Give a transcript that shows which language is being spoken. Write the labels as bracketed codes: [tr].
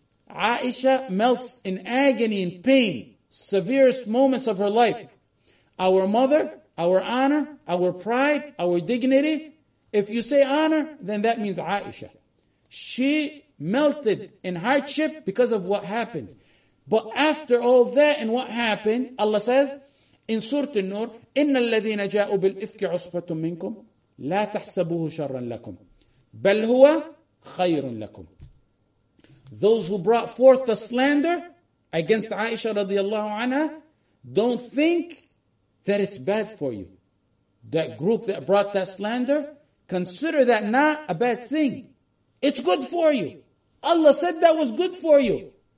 [en] Aisha melts in agony and pain, severest moments of her life. Our mother, our honor, our pride, our dignity. If you say honor, then that means Aisha. She melted in hardship because of what happened. But after all that and what happened, Allah says in Surah An-Nur, [ar] إِنَّ الَّذِينَ جَاءُوا بِالْإِفْكِ عُصْبَةٌ مِّنْكُمْ لَا تَحْسَبُوهُ شَرًّا لَكُمْ بَلْ هُوَ خَيْرٌ لَكُمْ. [en] those who brought forth the slander against Aisha radiallahu anha, don't think that it's bad for you. That group that brought that slander, consider that not a bad thing. It's good for you. Allah said that was good for you.